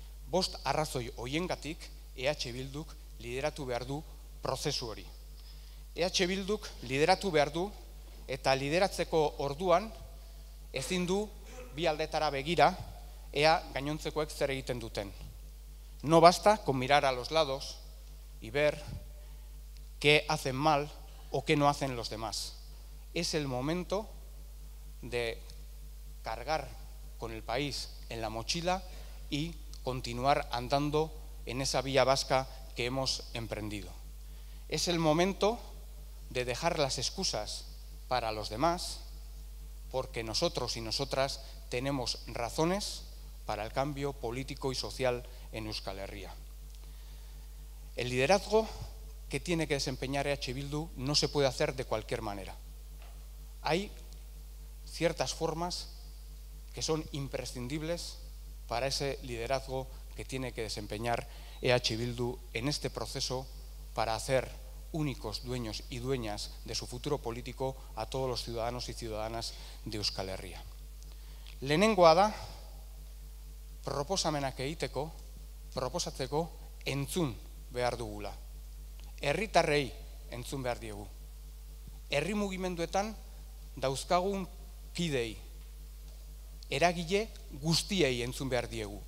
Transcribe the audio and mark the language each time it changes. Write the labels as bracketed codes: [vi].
[eu] Bost arrazoi hoiengatik EH Bilduk lideratu behar du prozesu hori. EH Bilduk lideratu behar du eta lideratzeko orduan ezin du bi aldetara begira ea gainontzekoek zer egiten duten. [es] No basta con mirar a los lados y ver qué hacen mal o qué no hacen los demás. Es el momento de cargar con el país en la mochila y continuar andando en esa vía vasca que hemos emprendido. Es el momento de dejar las excusas para los demás, porque nosotros y nosotras tenemos razones para el cambio político y social en Euskal Herria. El liderazgo que tiene que desempeñar EH Bildu no se puede hacer de cualquier manera. Hay ciertas formas que son imprescindibles para ese liderazgo que tiene que desempeñar EH Bildu en este proceso para hacer únicos dueños y dueñas de su futuro político a todos los ciudadanos y ciudadanas de Euskal Herria. [eu] Lehenengoa da, proposamenak egiteko, proposatzeko entzun behar dugula. Herritarrei entzun behar diegu. Herri mugimenduetan dauzkagun kidei, eragile guztiei entzun behar diegu.